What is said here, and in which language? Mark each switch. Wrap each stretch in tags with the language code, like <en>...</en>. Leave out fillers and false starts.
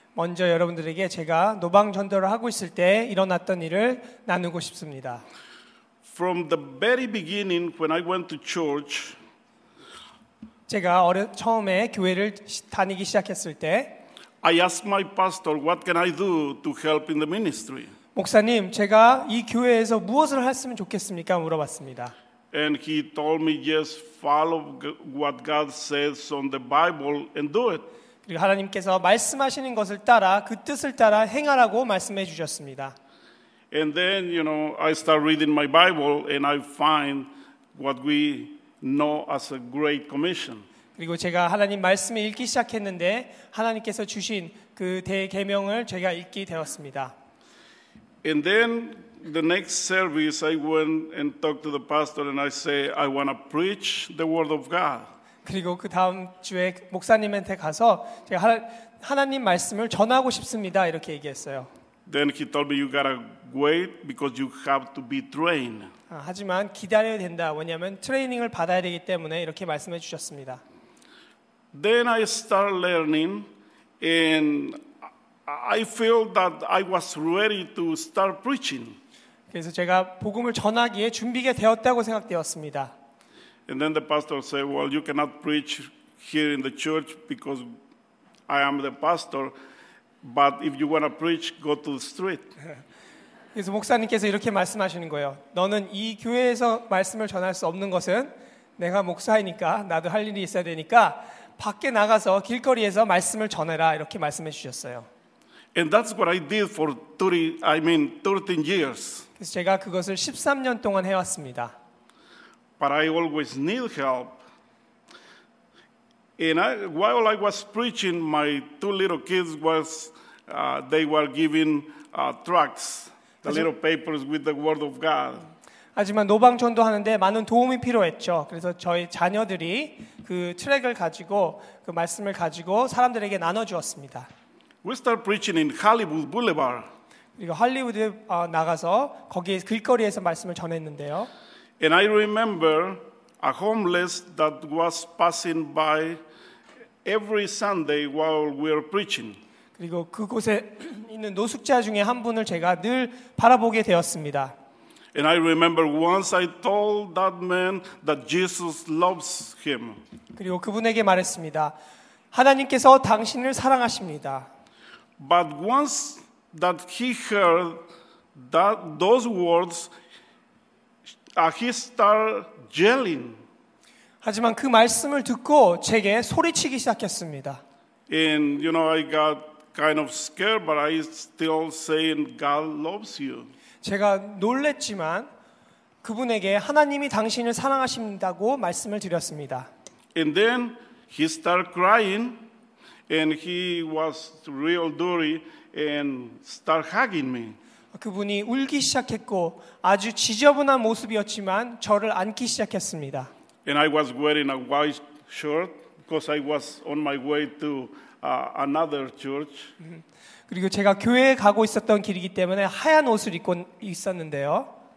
<ko>먼저 여러분들에게 제가 노방 전도를 하고 있을 때 일어났던 일을 나누고 싶습니다.</ko> <en>From the very beginning when I went to church,</en> <ko>제가 처음에 교회를 다니기 시작했을 때</ko> <en>I asked my pastor, what can I do to help in the ministry?</en> <ko>목사님, 제가 이 교회에서 무엇을 했으면 좋겠습니까? 물어봤습니다.</ko> <en>And he told me, just follow what God says on the Bible and do it.</en> <ko>그리고 하나님께서 말씀하시는 것을 따라 그 뜻을 따라 행하라고 말씀해 주셨습니다.</ko> <en>And then, you know, I start reading my Bible and I find what we know as a great commission.</en> <ko>그리고 제가 하나님 말씀을 읽기 시작했는데 하나님께서 주신 그 대계명을 제가 읽게 되었습니다.</ko> <en>And then the next service I went and talked to the pastor and I say I want to preach the word of God.</en> <ko>그리고 그 다음 주에 목사님한테 가서 제가 하나님 말씀을 전하고 싶습니다. 이렇게 얘기했어요.</ko> <en>Then he told me you got to wait because you have to be trained.</en> <ko>하지만 기다려야 된다. 왜냐면 트레이닝을 받아야 되기 때문에 이렇게 말씀해 주셨습니다.</ko> <en>Then I started learning and I felt that I was ready to start preaching.</en> <ko>그래서 제가 복음을 전하기에 준비가 되었다고 생각되었습니다.</ko> <en>And then the pastor said, well, you cannot preach here in the church because I am the pastor, but if you want to preach, go to the street.</en> <ko>그래서 목사님께서 이렇게 말씀하시는 거예요. 너는 이 교회에서 말씀을 전할 수 없는 것은 내가 목사이니까 나도 할 일이 있어야 되니까 밖에 나가서 길거리에서 말씀을 전해라 이렇게 말씀해 주셨어요.</ko> <en>And that's what I did for 13 years.</en> <ko>그래서 제가 그것을 13년 동안 해왔습니다.</ko> <en>But I always need help. And while I was preaching, my two little kids was they were giving tracts, the little papers with the word of God.</en> <ko>하지만 노방 전도하는데 많은 도움이 필요했죠. 그래서 저희 자녀들이 그 트랙을 가지고 그 말씀을 가지고 사람들에게 나눠주었습니다.</ko> <en>We start preaching in Hollywood Boulevard.</en> <ko>그리고 할리우드에 나가서 거기에 길거리에서 말씀을 전했는데요.</ko> <en>And I remember a homeless that was passing by every Sunday while we were preaching.</en> <ko>그리고 그곳에 있는 노숙자 중에 한 분을 제가 늘 바라보게 되었습니다.</ko> <en>And I remember once I told that man that Jesus loves him.</en> <ko>그리고 그분에게 말했습니다. 하나님께서 당신을 사랑하십니다.</ko> <en>But once that he heard that those words, he started yelling.</en> <ko>하지만 그 말씀을 듣고 제게 소리치기 시작했습니다.</ko> <en>And you know, I got kind of scared, but I still saying God loves you.</en> <ko>제가 놀랬지만 그분에게 하나님이 당신을 사랑하신다고 말씀을 드렸습니다.</ko> <en>And then he started crying. And he was real dirty and start hugging me.</en> <ko>그분이 울기 시작했고 아주 지저분한 모습이었지만 저를 안기 시작했습니다.</ko> <en>And I was wearing a white shirt because I was on my way to another church.</en> <ko>그리고 제가 교회에 가고 있었던 길이기 때문에 하얀 옷을 입고 있었는데요.</ko>